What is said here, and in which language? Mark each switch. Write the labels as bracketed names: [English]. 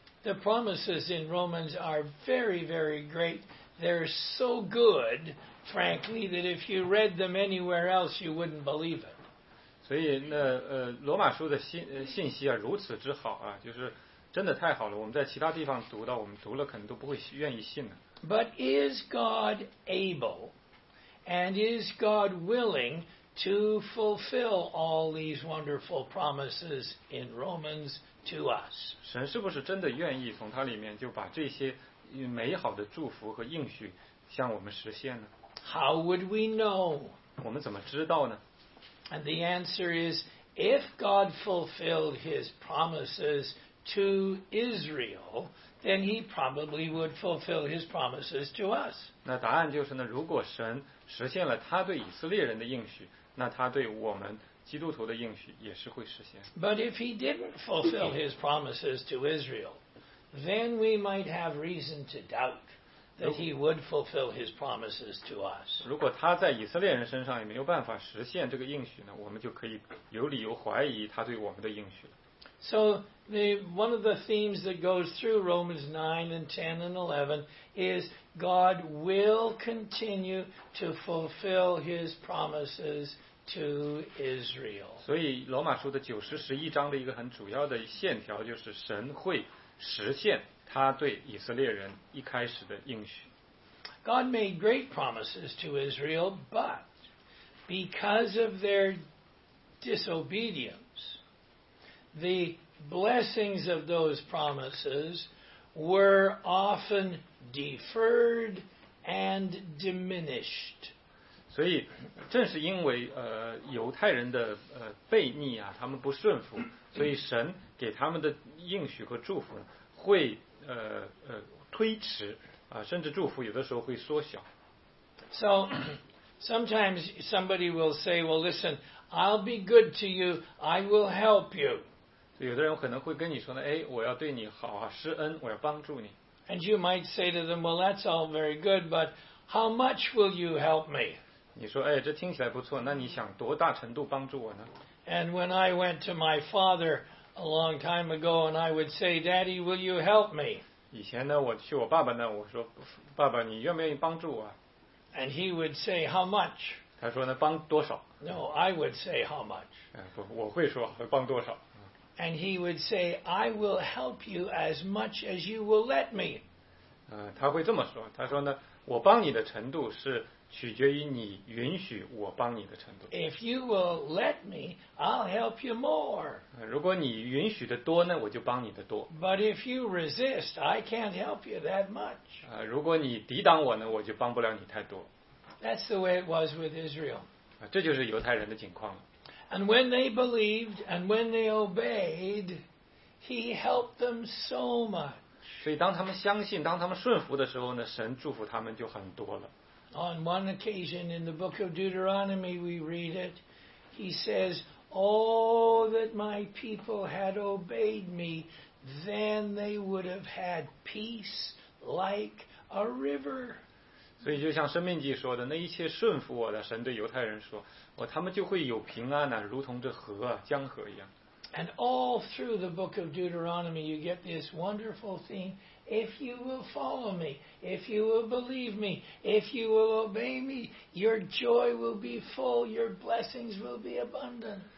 [English] The promises in Romans are very, very great. They're so good, frankly, that if you read them anywhere else, you wouldn't believe it. [Chinese] 所以那罗马书的信息啊，如此之好啊，就是真的太好了，我们在其他地方读到，我们读了可能都不会愿意信的。 [English] But is God able and is God willing to fulfill all these wonderful promises in Romans to us? [Chinese] 神是不是真的愿意从他里面就把这些美好的祝福和应许向我们实现呢？ [English] How would we know? [Chinese] 我们怎么知道呢？ [English] And the answer is, if God fulfilled his promises to Israel, then he probably would fulfill his promises to us. [Chinese] 那答案就是呢，如果神实现了他对以色列人的应许，那他对我们基督徒的应许也是会实现。 [English] But if he didn't fulfill his promises to Israel, then we might have reason to doubt that he would fulfill his promises to us. [Chinese] 如果他在以色列人身上也没有办法实现这个应许呢，我们就可以有理由怀疑他对我们的应许了。 [English] So one of the themes that goes through Romans 9 and 10 and 11 is God will continue to fulfill his promises to Israel. [Chinese] 所以罗马书的九十十一章的一个很主要的线条就是神会实现他对以色列人一开始的应许。 [English] God made great promises to Israel, but because of their disobedience, the blessings of those promises were often deferred and diminished. [Chinese] 所以正是因为犹太人的悖逆啊，他们不顺服，所以神给他们的应许和祝福会推迟啊，甚至祝福有的时候会缩小。 [English] So sometimes somebody will say, well listen, I'll be good to you, I will help you. [Chinese] 有的人可能会跟你说呢，哎，我要对你好啊，施恩，我要帮助你。 [English] And you might say to them, well that's all very good, but how much will you help me? [Chinese] 你说，哎，这听起来不错，那你想多大程度帮助我呢？ [English] And when I went to my father a long time ago and I would say, Daddy, will you help me? [Chinese] 以前呢，我去我爸爸那，我说，爸爸，你愿不愿意帮助我？ [English] And he would say, how much? [Chinese] 他说呢，帮多少？ [English] No, I would say, how much? [Chinese] 不，我会说，帮多少？ [English] And he would say, I will help you as much as you will let me. [Chinese] 他会这么说，他说呢，我帮你的程度是取决于你允许我帮你的程度。 [English] If you will let me, I'll help you more. [Chinese] 如果你允许的多呢，我就帮你的多。 [English] But if you resist, I can't help you that much. [Chinese] 如果你抵挡我呢，我就帮不了你太多。 [English] That's the way it was with Israel. [Chinese] 这就是犹太人的情况了。 [English] And when they believed and when they obeyed, he helped them so much. [Chinese] 所以当他们相信，当他们顺服的时候呢，神祝福他们就很多了。 [English] On one occasion in the book of Deuteronomy, we read it. He says, Oh, that my people had obeyed me, then they would have had peace like a river. [Chinese] 所以就像申命记说的，那一切顺服我的，神对犹太人说，哦，他们就会有平安啊，如同这河啊，江河一样。 [English] And all through the book of Deuteronomy, you get this wonderful thing. If you will follow me, if you will believe me, if you will obey me, your joy will be full, your blessings will be abundant.